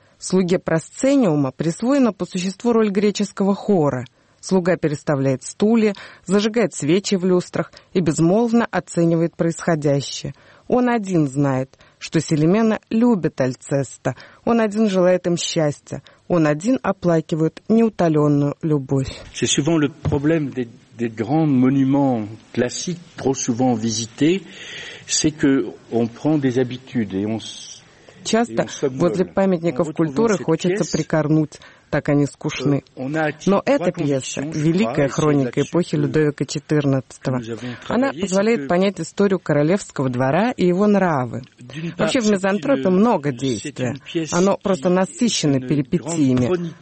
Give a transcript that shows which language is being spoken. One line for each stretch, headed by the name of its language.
Russian: Слуге Просцениума присвоена по существу роль греческого хора. Слуга переставляет стулья, зажигает свечи в люстрах и безмолвно оценивает происходящее. Он один знает, что Селемена любит Альцеста, он один желает им счастья, он один оплакивает неутоленную любовь.
French: C'est souvent le problème des grands monuments classiques trop souvent visités, c'est que on prend des habitudes et on
Russian: Часто возле памятников культуры хочется прикорнуть, так они скучны. Но эта пьеса – великая хроника эпохи Людовика XIV. Она позволяет понять историю королевского двора и его нравы. Вообще, в «Мизантропе» много действия. Оно просто насыщено перипетиями.